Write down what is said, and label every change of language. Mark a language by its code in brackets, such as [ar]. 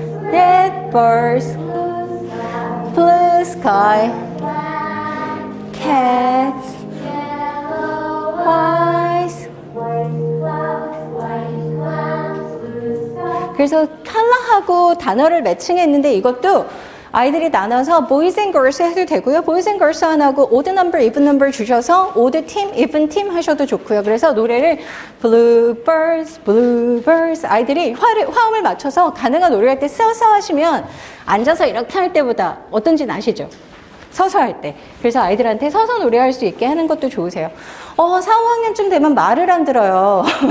[en] Red birds, blue sky, cats, yellow eyes. [ko] 그래서 컬러하고 단어를 매칭했는데 이것도 아이들이 나눠서 boys and girls 해도 되고요. [en] boys and girls [ko] 하나하고 [en] odd number, even number [ko] 주셔서 [en] odd team, even team [ko] 하셔도 좋고요. 그래서 노래를 bluebirds, bluebirds 아이들이 화음을 맞춰서 가능한 노래할 때 서서 하시면 앉아서 이렇게 할 때보다 어떤지 아시죠? 서서 할 때. 그래서 아이들한테 서서 노래할 수 있게 하는 것도 좋으세요. 4, 5학년쯤 되면 말을 안 들어요.